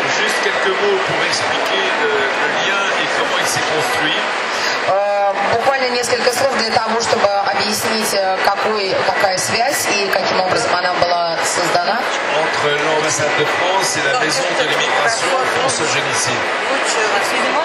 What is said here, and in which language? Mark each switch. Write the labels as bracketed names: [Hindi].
[French] Juste quelques mots pour expliquer le lien et comment il s'est construit. [Russian] Буквально несколько слов для того, чтобы объяснить, какая связь и каким образом она была создана. [French] Entre l'ambassade de France et la maison de l'immigration France Génicie.